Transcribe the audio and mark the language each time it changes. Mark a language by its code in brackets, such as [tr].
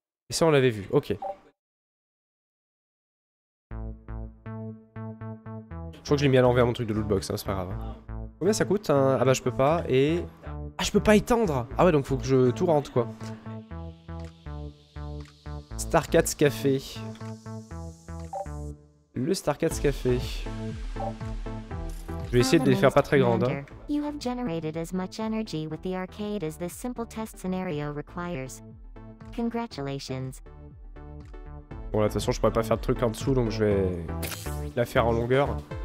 [fr] Et ça, on l'avait vu. Ok. Je crois que je l'ai mis à l'envers mon truc de lootbox, hein, c'est pas grave. Combien ça coûte hein? Ah bah je peux pas et... Ah je peux pas étendre. Ah ouais donc faut que je tout rentre quoi. StarCats Café. Le StarCats Café. Je vais essayer de les faire pas très grandes. Hein. [en] You have generated as much energy with the arcade as this simple test scenario requires. Congratulations. [fr] Bon là de toute façon je pourrais pas faire de truc en dessous donc je vais la faire en longueur.